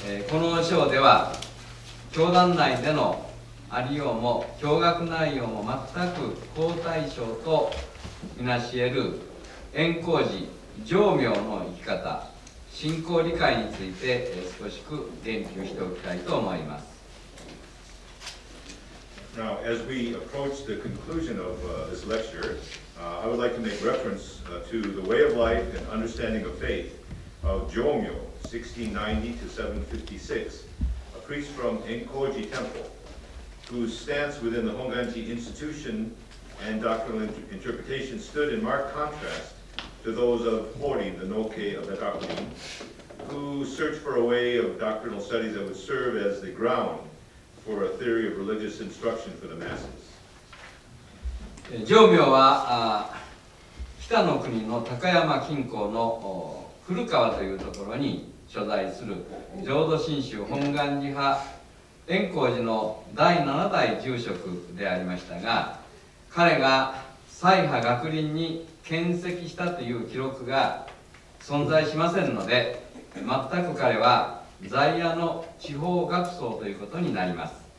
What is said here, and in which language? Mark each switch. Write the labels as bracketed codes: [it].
[ja] この章では教団内でのありようも教学内容も全く好対照とみなし得る円光寺常明の生き方信仰理解について少しく言及しておきたいと思います。 [en] Now, as we approach the conclusion of this lecture, I would like to make reference to the way of life and understanding of faith of Jōmyō, 1690 to 756, a priest from Enkōji Temple, whose stance within the Honganji institution and doctrinal interpretation stood in marked contrast to those of Horin, the Noke of the Gakuin, who searched for a way of doctrinal studies that would serve as the ground for a theory of religious instruction for the masses. [ja] Jōmyō は北の国の高山近郊の古川というところに所在する浄土真宗本願寺派円光寺の第七代住職でありましたが、彼が西派学林に献跡したという記録が存在しませんので、全く彼は在野の地方学僧ということになります。